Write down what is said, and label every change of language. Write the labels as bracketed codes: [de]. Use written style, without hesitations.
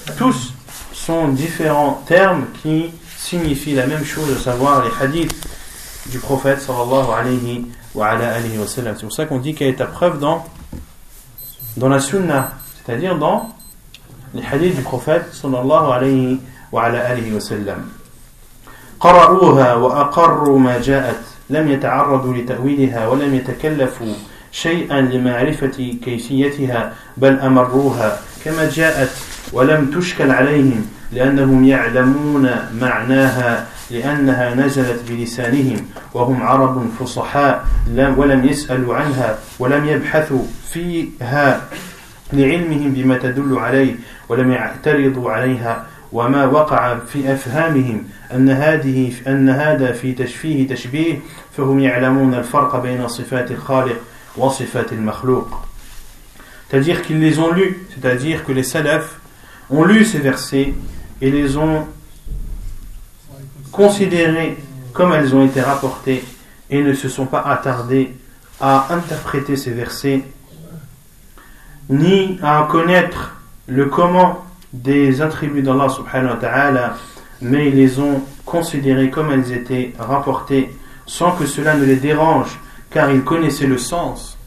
[fr] Tous sont différents termes qui signifient la même chose, à savoir les hadiths du prophète [ar] sallallahu alayhi wa ala alayhi wa sallam. [fr] C'est pour ça qu'on dit qu'elle est à preuve dans la sunnah, c'est-à-dire dans les hadiths du prophète [ar] sallallahu alayhi wa ala alayhi wa sallam. قرأوها وأقروا ما جاءت لم يتعرضوا لتأويلها ولم يتكلفوا شيئا لمعرفة كيفيتها بل أمروها كما جاءت ولم تشكل عليهم لأنهم يعلمون معناها لأنها نزلت بلسانهم وهم عرب فصحاء ولم يسألوا عنها ولم يبحثوا فيها لعلمهم بما تدل عليه ولم يعترضوا عليها وما وقع في أفهامهم أن هذا في تشفيه تشبيه فهم يعلمون الفرق بين صفات الخالق وصفات المخلوق. [fr] C'est-à-dire qu'ils les ont lus, c'est-à-dire que les salafs ont lu ces versets et les ont considérés comme elles ont été rapportées et ne se sont pas attardés à interpréter ces versets ni à connaître le comment des attributs d'Allah [ar] subhanahu wa ta'ala, [fr] mais ils les ont considérés comme elles étaient rapportées sans que cela ne les dérange, car ils connaissaient le sens.